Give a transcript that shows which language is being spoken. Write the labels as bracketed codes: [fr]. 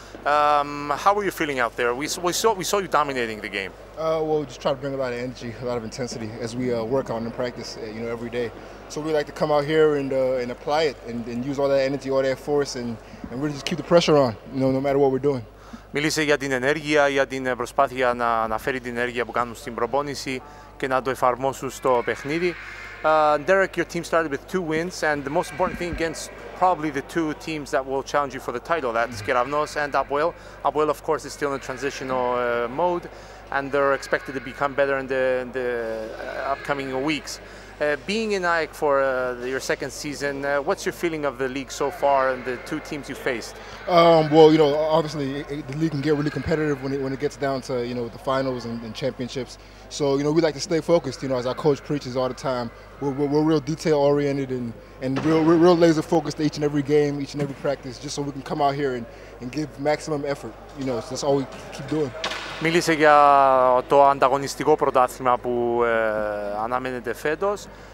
[en] How were you feeling out there? We saw you dominating the game. Well, we just try to bring a lot of energy, a lot of intensity as we work on and practice, you know, every day. So we like to come out here and apply it and use all that energy, all that force, and really just keep the pressure on, you know, no matter what we're doing. [el] Μίλησε για την ενέργεια, για την προσπάθεια να αναφέρει την ενέργεια που κάνουν στην προπόνηση και να το εφαρμόσουν στο παιχνίδι. [en] Derek, your team started with two wins and the most important thing against probably the two teams that will challenge you for the title, that's Keravnos and Abuel. Abuel, of course, is still in transitional mode and they're expected to become better in the upcoming weeks. Being in AEK for your second season, what's your feeling of the league so far and the two teams you faced? Well, you know, obviously the league can get really competitive when it gets down to, you know, the finals and championships. So, you know, we like to stay focused, you know, as our coach preaches all the time. We're real detail-oriented and real laser-focused each and every game, each and every practice, just so we can come out here and give maximum effort. You know, so that's all we keep doing. [el] Μίλησε για το ανταγωνιστικό πρωτάθλημα που αναμένεται φέτος.